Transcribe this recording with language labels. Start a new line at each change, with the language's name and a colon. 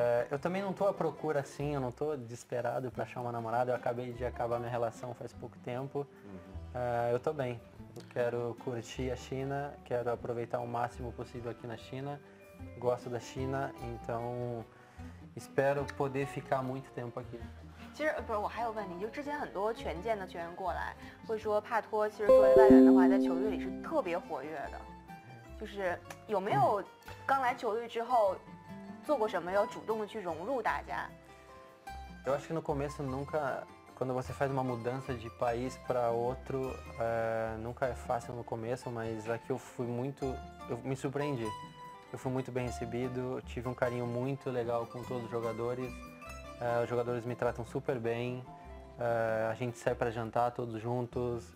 Portuguese: Eu também não estou à procura assim, eu não estou desesperado para achar uma namorada. Eu acabei de acabar minha relação faz pouco tempo. Eu estou bem. Eu quero curtir a China, quero aproveitar o máximo possível aqui na China. Gosto da China, então espero poder ficar muito tempo aqui.
Chinese: 其实不是，我还有问题，就之前很多权健的球员过来，会说帕托其实作为外援的话，在球队里是特别活跃的，就是有没有刚来球队之后做过什么要主动的去融入大家？
Portuguese: Eu acho que no começo nunca, quando você faz uma mudança de país para outro, nunca é fácil no começo, mas aqui eu fui muito, eu me surpreendi. Eu fui muito bem recebido, tive um carinho muito legal com todos os jogadores. Os jogadores me tratam super bem. A gente sai para jantar todos juntos.